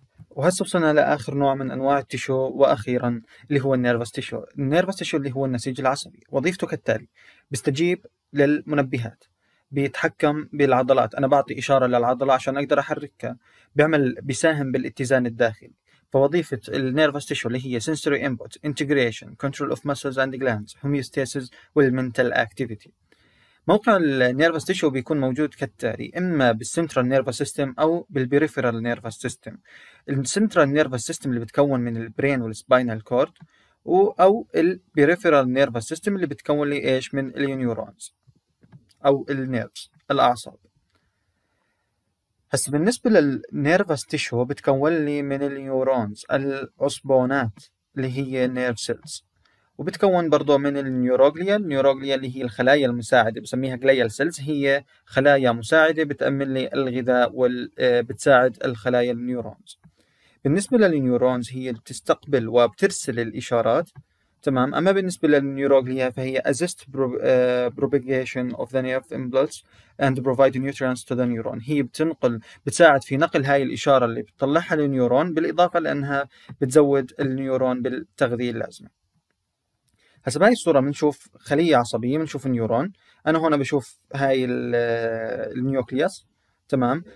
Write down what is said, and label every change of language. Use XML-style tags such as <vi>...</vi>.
<ar>وهسه وصلنا لاخر نوع من انواع التشو، واخيرا اللي هو النيرفس تشو. النيرفس تشو اللي هو النسيج العصبي، وظيفته كالتالي: بيستجيب للمنبهات، بيتحكم بالعضلات، انا بعطي اشاره للعضله عشان اقدر احركها، بيساهم بالاتزان الداخلي. فوظيفة النيرفس تيشو اللي هي</ar> <en>sensory input, integration, control of muscles and glands, homeostasis والmental activity.</en> <ar>موقع النيرفس تيشو بيكون موجود كالتالي: إما بالcentral nervous system أو بالperipheral nervous system. الcentral nervous system اللي بتكون من البرين والspinal cord، أو الperipheral nervous system اللي بتكون لإيش من النيورونز أو النيرفز الأعصاب. بس بالنسبة للنيرفس تيشو بتكون لي من النيورونز العصبونات اللي هي نيرف سيلز، وبتكون برضو من النيوروغليا. النيوروغليا اللي هي الخلايا المساعدة، بسميها جليال سيلز، هي خلايا مساعدة بتأمن لي الغذاء وبتساعد الخلايا النيورونز. بالنسبة للنيورونز هي بتستقبل وبترسل الإشارات، تمام. أما بالنسبة للنيوروغليا فهي</ar> <en>assist propagation of the nerve impulse and provide nutrients to the neuron.</en> <ar>هي بتنقل، بتساعد في نقل هاي الإشارة اللي بتطلعها للنيورون، بالإضافة لأنها بتزود النيورون بالتغذية اللازمة. هسا بهاي الصورة بنشوف خلية عصبية، بنشوف النيورون. أنا هنا بشوف هاي النيوكلياس، تمام.</ar>